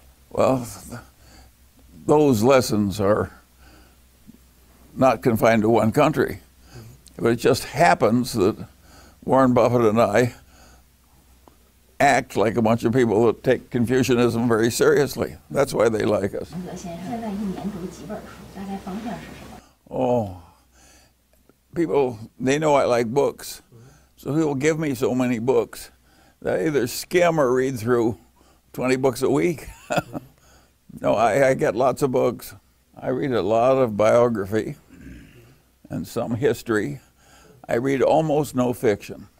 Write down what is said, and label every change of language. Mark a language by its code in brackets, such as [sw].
[en] Well, those lessons are not confined to one country. But it just happens that Warren Buffett and I act like a bunch of people that take Confucianism very seriously. That's why they like us. [zh] 芒格先生现在一年读几本书，大概方向是什么？ [en] Oh, people, they know I like books. So people give me so many books that I either skim or read through 20 books a week. No, I get lots of books. I read a lot of biography and some history. I read almost no fiction.